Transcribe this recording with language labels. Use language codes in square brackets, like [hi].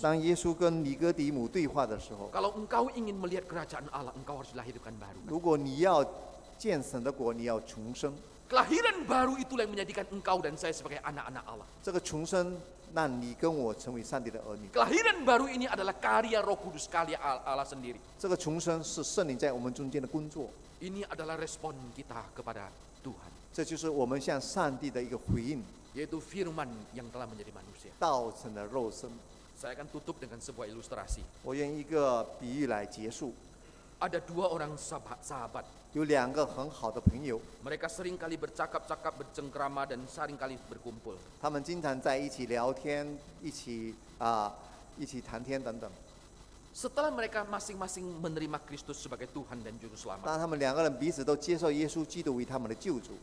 [zh] 当耶稣跟尼哥底母对话的时候。 [id] Kalau engkau ingin melihat kerajaan Allah, engkau harus dilahirkan baru. [zh] 如果你要见神的国，你要重生。 [id] Kelahiran baru itulah yang menjadikan engkau dan saya sebagai anak-anak Allah. [zh] 这个重生。让你跟我成为上帝的儿女。 [id] Kelahiran baru ini adalah karya Roh Kudus, karya Allah sendiri. [zh] 这个重生是圣灵在我们中间的工作。 [id] Ini adalah respon kita kepada Tuhan. [zh] 这就是我们向上帝的一个回应。 [id] Yaitu firman yang telah menjadi manusia. [zh] 道成了肉身。 [id] Saya akan tutup dengan sebuah ilustrasi. [zh] 我用一个比喻来结束。 [id] Ada dua orang sahabat. [zh] 有两个很好的朋友。 [id] Mereka seringkali bercakap-cakap, bercengkrama, dan seringkali berkumpul. [zh] 他们经常在一起聊天，一起谈天等等。 [id] Setelah mereka masing-masing menerima Kristus sebagai Tuhan dan Juru Selamat. [zh] 当他们两个人彼此都接受耶稣基督为他们的救主。